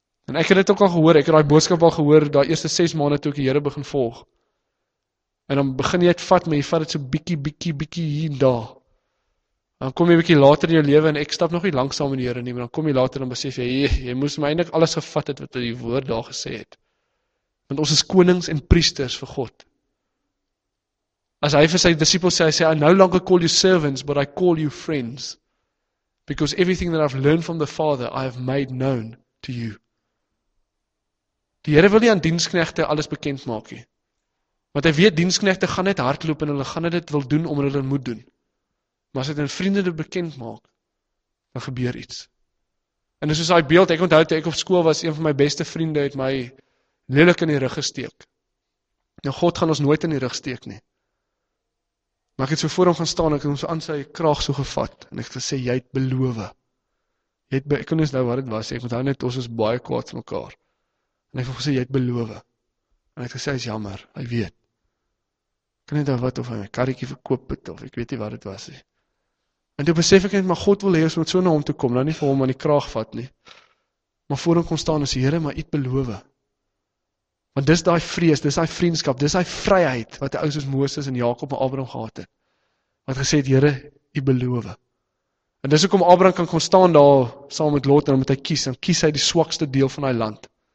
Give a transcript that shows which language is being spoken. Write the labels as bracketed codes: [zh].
[af] En ek het dit ook al gehoor, ek het die boodskap al gehoor, die eerste 6 maande toe ek die Here begin volg. En dan begin jy het vat, maar jy vat het so bietjie hier en daar. En dan kom jy bietjie later in jou lewe, en ek stap nog nie langsam in die Here nie, maar dan kom jy later en besef jy, jy moes my eindelijk alles gevat het, wat hy die woord daar gesê het. Want ons is konings en priesters vir God. As hy vir sy disciples sê, hy sê, [en] I no longer call you servants, but I call you friends. Because everything that I've learned from the Father, I have made known to you. [af] Die Here wil nie aan diensknegte alles bekend maak nie. Want hy weet, diensknegte gaan net hardloop en hulle gaan dit wil doen omdat hulle moet doen. Maar as hy dit aan vriende bekend maak, dan gebeur iets. En soos hy beeld, ek onthou toe ek op skool was, een van my beste vriende het my lelik in die rug gesteek. Nou God gaan ons nooit in die rug steek nie. Maar ek het so voor hom gaan staan, ek het hom so aan sy kraag so gevat, en ek het gesê, jy het beloof. Ek kon nie nou wat het was, ek onthou net, ons is baie kwaad van mekaar. En hy het gesê, jy het beloof. En hy het gesê, hy is jammer, hy weet. Ek kan nie daar wat, of hy my karretjie verkoop het, of ek weet nie wat het was. En toe besef ek net, maar God wil hê ons moet so na hom toe kom, nou nie vir hom aan die kraag vat nie. Maar voor hom kom staan is die Here, maar u het beloof. Want dis daai vrees, dis daai vriendskap, dis daai vryheid wat die ouens soos Moses en Jakob en Abraham gehad het. Wat gesê het, Here, u beloof. En dis hoekom Abraham kan kom staan daar saam met Lot en hom het hy kies, en kies hy die swakste deel van daai land.